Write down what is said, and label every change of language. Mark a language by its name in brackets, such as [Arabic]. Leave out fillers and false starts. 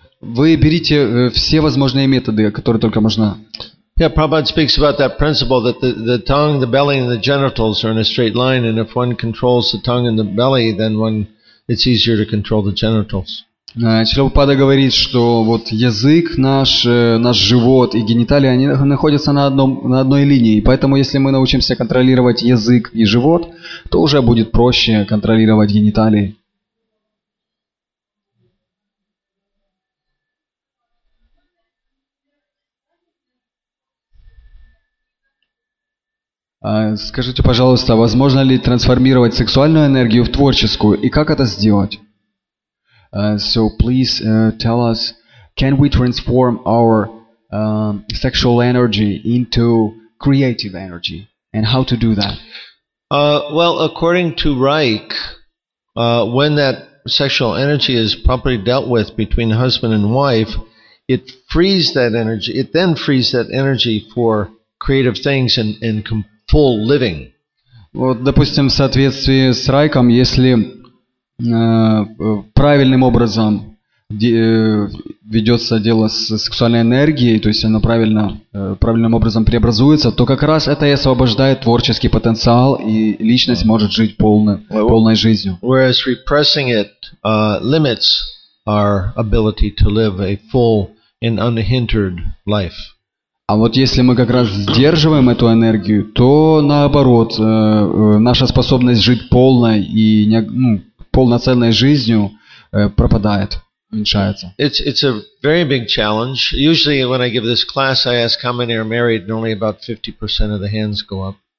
[Russian] Вы берите все возможные методы, которые только можно. [English] Yeah, Prabhupada speaks about that principle that the tongue, the belly, and the genitals are in a straight line, and if one controls the tongue and the belly, then one it's easier to control the genitals. [Russian] Шрилупада говорит, что вот язык наш живот и гениталии, они находятся на одной линии. Поэтому если мы научимся контролировать язык и живот, то уже будет проще контролировать гениталии. Скажите, пожалуйста, возможно ли трансформировать сексуальную энергию в творческую? И как это сделать? [English] So please tell us, can we transform our sexual energy into creative energy, and how to do that? Well, according to Reich, when that sexual energy is properly dealt with between husband and wife, it frees that energy. It then frees that energy for creative things and full living. [Russian] Вот, допустим, в соответствии с Райком, если правильным образом ведется дело с сексуальной энергией, то есть оно правильным образом преобразуется, то как раз это и освобождает творческий потенциал, и личность может жить полной жизнью. [English] Whereas repressing it limits our ability to live a full and unhindered life. [Russian] А вот если мы как раз сдерживаем эту энергию, то наоборот, наша способность жить полной и полноценной жизнью пропадает, уменьшается. [English] It's a very big challenge. Usually when I give this class, I ask how many are married, and only about 50% of the hands go up.